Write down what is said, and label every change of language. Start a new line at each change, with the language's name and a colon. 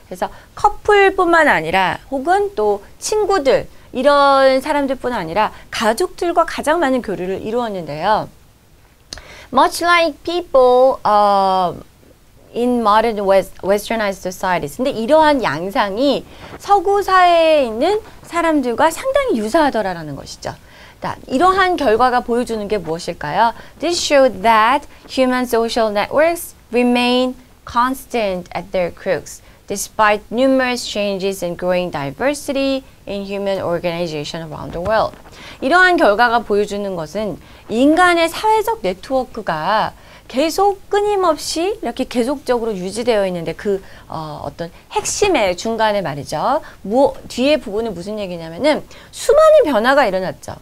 Korean: 그래서 커플뿐만 아니라 혹은 또 친구들 이런 사람들뿐 아니라 가족들과 가장 많은 교류를 이루었는데요.
English: Much like people in modern westernized societies.
Korean: 근데 이러한 양상이 서구 사회에 있는 사람들과 상당히 유사하더라라는 것이죠. 자, 이러한 결과가 보여주는 게 무엇일까요?
English: This showed that human social networks remain constant at their crux despite numerous changes and growing diversity in human organization around the world.
Korean: 이러한 결과가 보여주는 것은 인간의 사회적 네트워크가 계속 끊임없이 이렇게 계속적으로 유지되어 있는데 그 어떤 핵심의 중간에 말이죠. 뒤에 부분은 무슨 얘기냐면은 수많은 변화가 일어났죠.